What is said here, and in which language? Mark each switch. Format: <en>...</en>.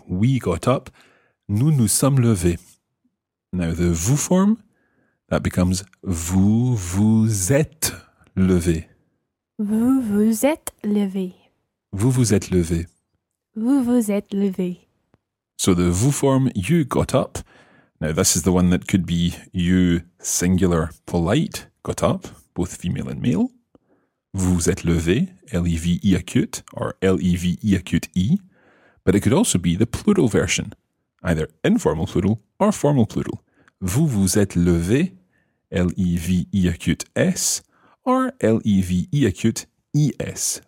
<en>We got up.</en> <fr>Nous nous sommes levés.</fr> <en>Now, the vous form, that becomes</en> <fr>vous vous êtes levé. Vous vous êtes levé. Vous vous êtes levé. Vous vous êtes levé.</fr> <en>So the vous form, you got up. Now this is the one that could be you singular polite got up, both female and male.</en> <fr>Vous êtes levé,</fr> <en>L-E-V-E acute, or L-E-V-E acute E. But it could also be the plural version, either informal plural or formal plural.</en> <fr>Vous vous êtes levé,</fr> <en>L-E-V-E acute S, or L-E-V-E acute E-S.</en>